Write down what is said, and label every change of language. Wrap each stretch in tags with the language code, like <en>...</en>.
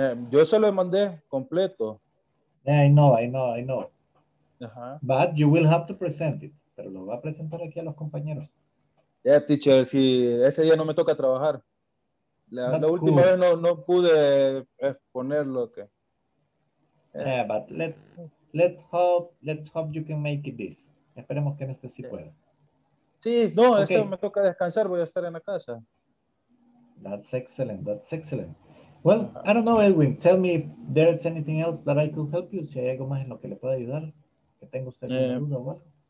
<es>Yo se lo mandé completo.</es> <en>Yeah, I know. But you will have to present it.</en> <es>Pero lo va a presentar aquí a los compañeros.</es> <en>Yeah, teacher,</en> <es>si ese día no me toca trabajar. La última vez no pude exponer lo que.</es> <en>Yeah, but let's hope you can make it this.</en> <es>Esperemos que en este sí pueda. Sí, no, okay. Este me toca descansar, voy a estar en la casa.</es> <en>That's excellent. Well, I don't know, Edwin. Tell me if there's anything else that I could help you.</en> <es>Si hay algo más en lo que le pueda ayudar, que tenga usted alguna duda o algo.</es>